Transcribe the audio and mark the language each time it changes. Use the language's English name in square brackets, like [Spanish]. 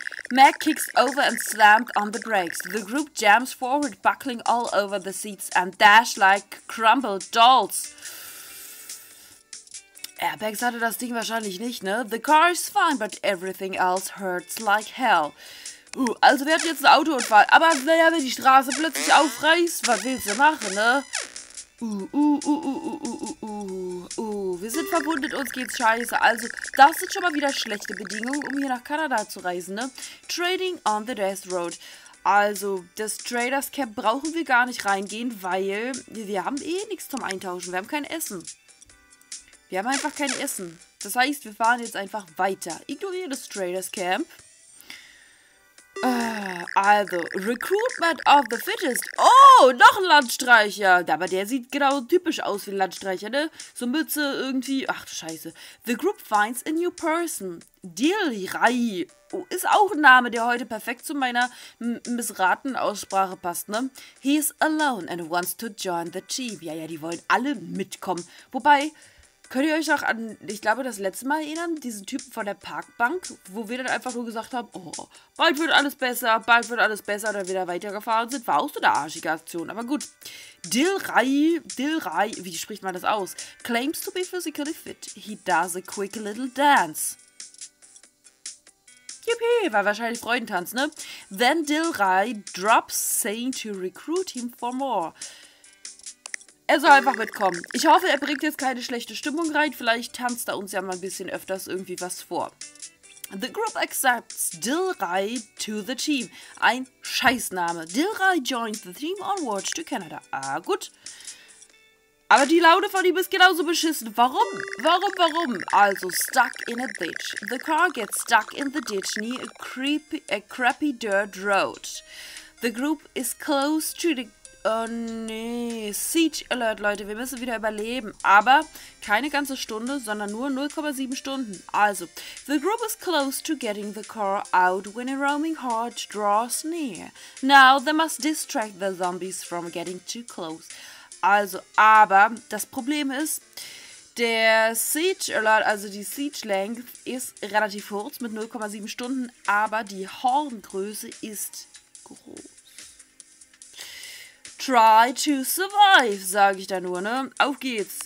[English] Mac kicks over and slammed on the brakes. The group jams forward, buckling all over the seats and dash like crumbled dolls. [German] Airbags hatte das Ding wahrscheinlich nicht, ne? [English] The car is fine, but everything else hurts like hell. [German] Also wir hatten jetzt einen Autounfall. Aber naja, wenn die Straße plötzlich aufreißt, was willst du machen, ne? Wir sind verwundet, uns geht's scheiße. Also, das sind schon mal wieder schlechte Bedingungen, um hier nach Kanada zu reisen, ne? [English] Trading on the Death Road. [German] Also, das Traders Camp brauchen wir gar nicht reingehen, weil wir haben eh nichts zum Eintauschen. Wir haben kein Essen. Wir haben einfach kein Essen. Das heißt, wir fahren jetzt einfach weiter. Ignoriere das Traders Camp. Also, [English] Recruitment of the Fittest. [German] Oh, noch ein Landstreicher. Aber der sieht genau typisch aus wie ein Landstreicher, ne? So Mütze irgendwie. Ach, scheiße. [English] The group finds a new person. Dilrai. [German] Oh, ist auch ein Name, der heute perfekt zu meiner missratenen Aussprache passt, ne? [English] He is alone and wants to join the team. [German] Ja, ja, die wollen alle mitkommen. Wobei, könnt ihr euch auch an, ich glaube, das letzte Mal erinnern, diesen Typen von der Parkbank, wo wir dann einfach nur gesagt haben, oh, bald wird alles besser, dann wieder weitergefahren sind, war auch so eine arschige Aktion. Aber gut, Dilrai, wie spricht man das aus? [English] Claims to be physically fit. He does a quick little dance. [German] Yippie, war wahrscheinlich Freudentanz, ne? [English] Then Dilrai drops saying to recruit him for more. [German] Er soll einfach mitkommen. Ich hoffe, er bringt jetzt keine schlechte Stimmung rein. Vielleicht tanzt er uns ja mal ein bisschen öfters irgendwie was vor. [English] The group accepts Dilrai to the team. [German] Ein Scheißname. [English] Dilrai joins the team onwards to Canada. [German] Ah, gut. Aber die Laune von ihm ist genauso beschissen. Warum? Warum, warum? Also, [English] stuck in a ditch. The car gets stuck in the ditch near a crappy dirt road. The group is close to the... [German] Oh, nee. Siege Alert, Leute. Wir müssen wieder überleben. Aber keine ganze Stunde, sondern nur 0,7 Stunden. [English] Also, the group is close to getting the car out when a roaming horde draws near. Now, they must distract the zombies from getting too close. [German] Also, aber das Problem ist, der Siege Alert, also die Siege Length, ist relativ kurz mit 0,7 Stunden, aber die Horngröße ist groß. [English] Try to survive, [German] sage ich da nur, ne? Auf geht's.